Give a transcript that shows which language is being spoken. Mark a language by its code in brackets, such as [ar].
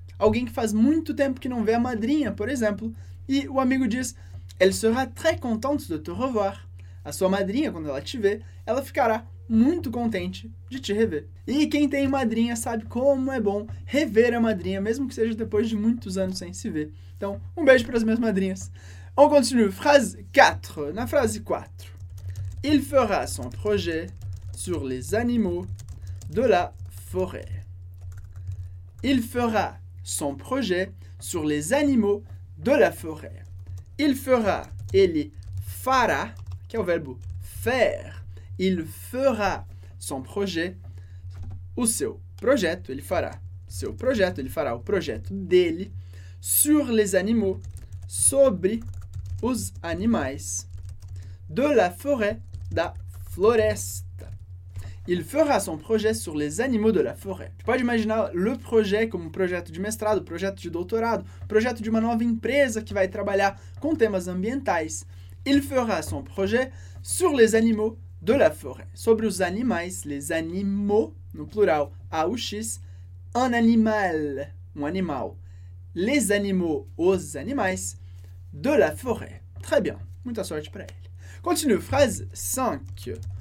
[pt] Alguém que faz muito tempo que não vê a madrinha, por exemplo, e o amigo diz, [fr] elle sera très contente de te revoir. [pt] A sua madrinha, quando ela te vê, ela ficará muito contente de te rever. E quem tem madrinha sabe como é bom rever a madrinha, mesmo que seja depois de muitos anos sem se ver. Então, um beijo para as minhas madrinhas. [fr] On continue, phrase 4. [pt] Na frase 4. [fr] Il fera son projet sur les animaux de la forêt. Il fera son projet sur les animaux de la forêt. Il fera, [pt] ele fará, que é o verbo faire. [fr] Il fera son projet, [pt] o seu projeto, ele fará seu projeto, ele fará o projeto dele [fr] sur les animaux, [pt] sobre os animais [fr] de la forêt [pt] da floresta. [fr] Il fera son projet sur les animaux de la forêt. [pt] Tu pode imaginar le projet como projeto de mestrado, projeto de doutorado, projeto de uma nova empresa que vai trabalhar com temas ambientais. [fr] Il fera son projet sur les animaux de la forêt. [pt] Sobre os animais, [fr] les animaux, [pt] no plural, A-U-X, [fr] un animal, [pt] um animal. [fr] Les animaux, [pt] os animais, [fr] de la forêt. Très bien, [pt] muita sorte para ele. [fr] Continue, phrase 5.